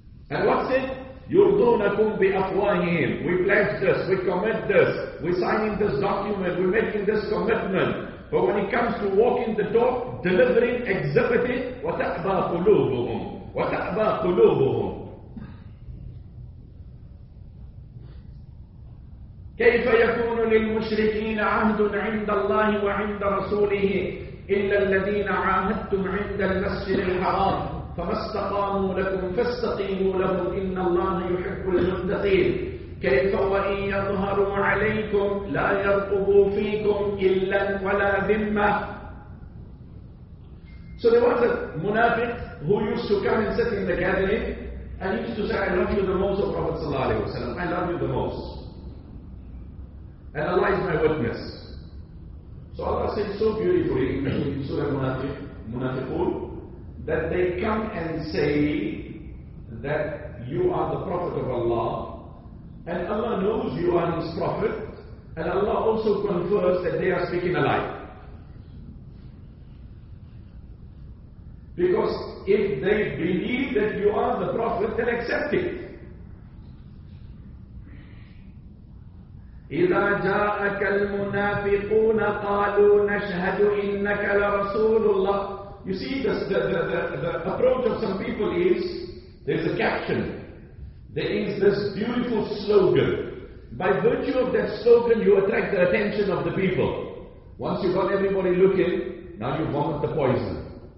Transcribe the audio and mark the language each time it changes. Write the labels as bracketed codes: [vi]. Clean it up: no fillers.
[en] And what's it? [ar] يُرْضُونَكُمْ بِأَفْوَاهِهِمْ. [en] We pledge this, we commit this, we're signing this document, we're making this commitment. But when it comes to walking the talk, delivering, exhibiting, [ar] وَتَأْبَى قُلُوبُهُمْ وَتَأْبَى قُلُوبُهُمْ. كيف يكون للمشركين عهد عند الله وعند رسوله إلا الذين عاهدتم عند المسجد الحرام فما استقاموا لكم فاستقيموا لهم إن الله يحب المتقين. كيف وإن يظهروا عليكم لا يرقبوا فيكم إلا ولا ذمة. [en] So there was a munafiq who used to come and sit in the gathering and used to say, I love you the most, O Prophet sallallahu alaihi wasallam. I love you the most. And Allah is my witness. So Allah said so beautifully in Surah Munafiqun that they come and say that you are the Prophet of Allah, and Allah knows you are His Prophet, and Allah also confers that they are speaking a lie. Because if they believe that you are the Prophet, then accept it. [ar] إذا جاءك المنافقون قالوا نشهد إنك لرسول الله. [en] You see, the approach of some people is, there's a caption, there is this beautiful slogan. By virtue of that slogan, you attract the attention of the people. Once you've got everybody looking, now you vomit the poison.